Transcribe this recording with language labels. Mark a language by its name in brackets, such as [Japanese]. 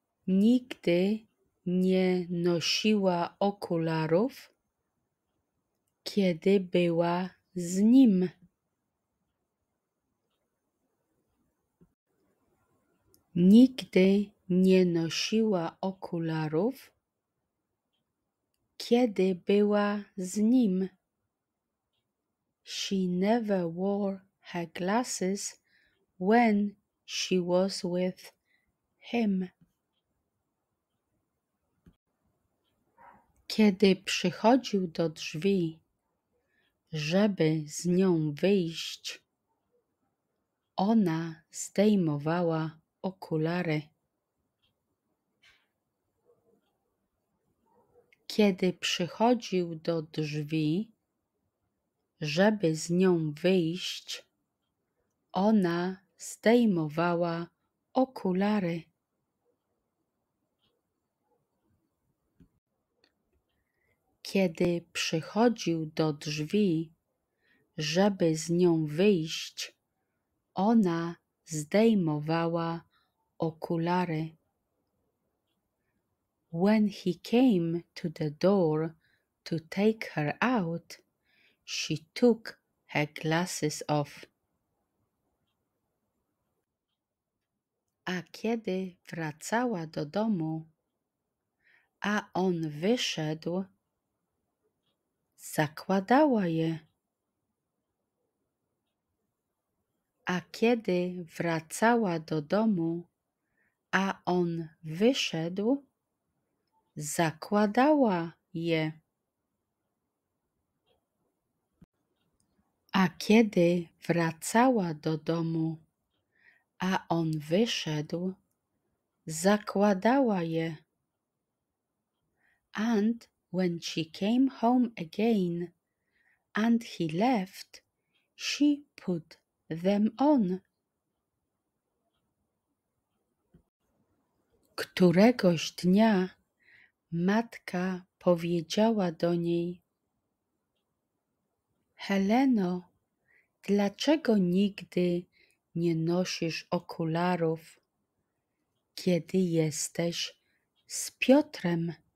[Polish] Nigdy nie nosiła okularów, kiedy była z nim. Nigdy nie nosiła okularów, kiedy była z nim. [English] She never wore her glasses when she was with him. [Polish] Kiedy przychodził do drzwi, żeby z nią wyjść, ona zdejmowała okulary. Kiedy przychodził do drzwi, żeby z nią wyjść, ona zdejmowała okulary. Kiedy przychodził do drzwi, żeby z nią wyjść, ona zdejmowała okulary. [English] When he came to the door to take her out, she took her glasses off. [Polish] A kiedy wracała do domu, a on wyszedł, zakładała je. A kiedy wracała do domu, a on wyszedł, zakładała je. A kiedy wracała do domu, a on wyszedł, zakładała je. [English] And when she came home again, and he left, she put them on. [Polish] Któregoś dnia matka powiedziała do niej: Heleno, dlaczego nigdy nie nosisz okularów, kiedy jesteś z Piotrem?